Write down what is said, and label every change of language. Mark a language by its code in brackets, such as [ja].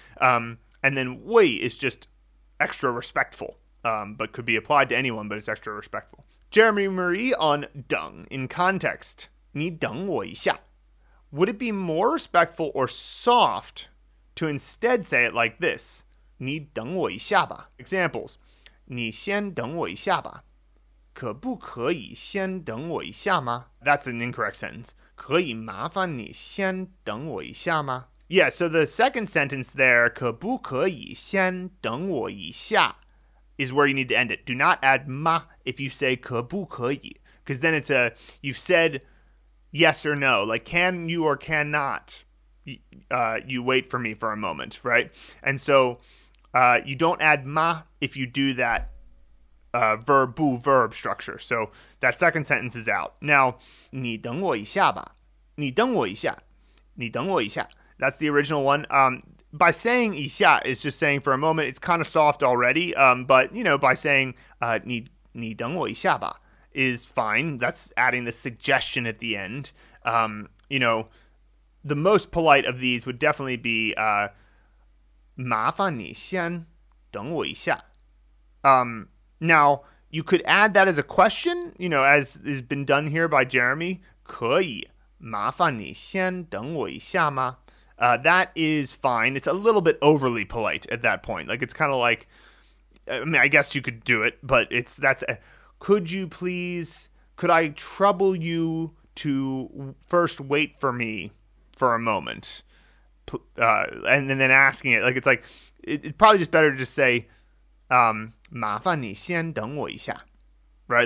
[en] And then wei is just extra respectful, but could be applied to anyone, but it's extra respectful. Jeremy Marie on deng in context. [zh] 你等我一下. [en] Would it be more respectful or soft to instead say it like this? [zh] 你等我一下吧.Examples. 你先等我一下吧,可不可以先等我一下吗? [en] That's an incorrect sentence. [zh] 可以麻烦你先等我一下吗? [en] Yeah, so the second sentence there, [zh] 可不可以先等我一下, [en] is where you need to end it. Do not add ma if you say 可不可以, because then it's a, you've said yes or no, like can you or cannot you wait for me for a moment, right? And so you don't add ma if you do that verb structure. So that second sentence is out. [zh] Now, 你等我一下吧,你等我一下,你等我一下. [en] That's the original one. By saying 一下 is just saying for a moment. It's kind of soft already, but you know, by saying [zh] 你等我一下吧 [en] is fine. That's adding the suggestion at the end. You know, the most polite of these would definitely be [zh] 麻烦你先等我一下. [en] Now, you could add that as a question, you know, as has been done here by Jeremy. [zh] 可以麻烦你先等我一下吗? [en] That is fine. It's a little bit overly polite at that point. Like, it's kind of like, I mean, I guess you could do it, but it's, that's, a, could you please, could I trouble you to first wait for me for a moment? And then asking it, like, it's like, it's probably just better to say, [zh] 麻烦你先等我一下, [en] right?